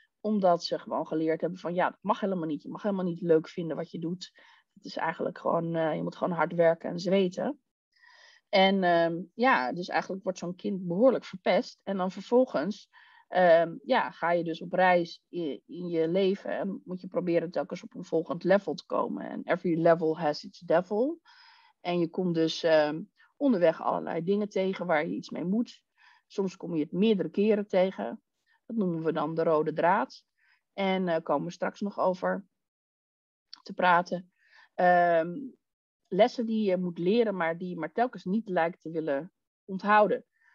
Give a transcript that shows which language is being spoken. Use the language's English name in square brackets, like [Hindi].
[Dutch] Omdat ze gewoon geleerd hebben van, ja, dat mag helemaal niet. Je mag helemaal niet leuk vinden wat je doet. Het is eigenlijk gewoon, je moet gewoon hard werken en zweten. En dus eigenlijk wordt zo'n kind behoorlijk verpest. En dan vervolgens ga je dus op reis in je leven en moet je proberen telkens op een volgend level te komen. [English] En every level has its devil. [Dutch] En je komt dus onderweg allerlei dingen tegen waar je iets mee moet. Soms kom je het meerdere keren tegen. Dat noemen we dan de rode draad. En daar komen we straks nog over te praten. Lessen die je moet leren, maar die je maar telkens niet lijkt te willen onthouden.